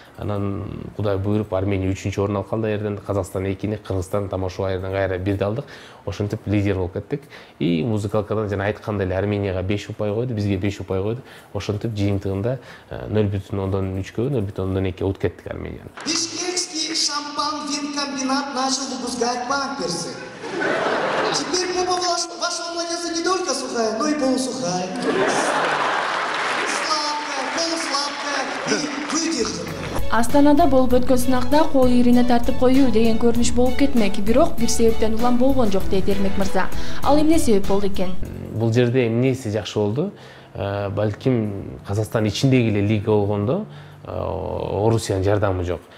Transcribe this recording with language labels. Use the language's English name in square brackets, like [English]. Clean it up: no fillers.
[Kyrgyz] Анан Кудай буйруп Армения 3 орун алып калды айрдан, Казакстан 2, Кыргызстан тамашоо айрдан кайра 1 алдык. Ошентип лидер болуп кеттик. И музыкалкадан жана айткандай эле Арменияга 5 упай койду, бизге 5 упай койду. Ошентип жыйынтыгында 0.3-кө, 0.2-ге утуп кеттик Арменияны. [Russian] Бишкекский шампан винкомбинат начал выпускать памперсы. Теперь попа вашего младенца не только сухая, но и полусухая. Сладкая, полусладкая и выдержанная. [Kyrgyz] Астанада болуп өткөн сынакта кол ирине тартып коюу деген көрүнүш болуп кетмек, бирок бир себептен улам болгон жок дейт Эрмек мырза. Ал эмне себеп болду экен? Бул жерде эмнеси жакшы болду? Балким Казакстан ичиндеги эле лига болгондо Орусиянын жардамы жок.